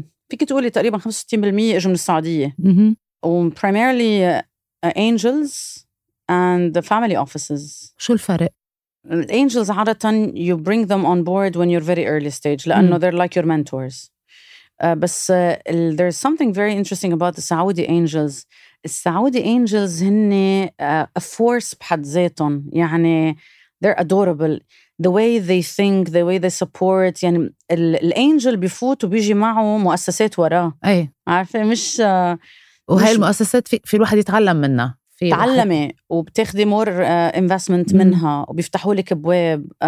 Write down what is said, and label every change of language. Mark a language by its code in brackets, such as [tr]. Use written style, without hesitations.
[ar] فيك تقولي تقريبا 65% اجوا من السعوديه و [en] primarily angels and the family offices. [ar] شو الفرق؟ الانجلز عادة [en] you bring them on board when you're very early stage [ar] لأنه [en] they're like your mentors. [ar] بس [en] there's something very interesting about the Saudi angels. [ar] السعودي [en] angels [ar] هن [en] a force [ar] بحد ذاتهم, يعني [en] they're adorable the way they think, the way they support. [ar] يعني الانجل بيفوت وبيجي معه مؤسسات وراه, اي عارفة مش وهي المؤسسات في الواحد يتعلم منها, تعلمي وبتاخدي مور investment منها وبيفتحوا لك ابواب.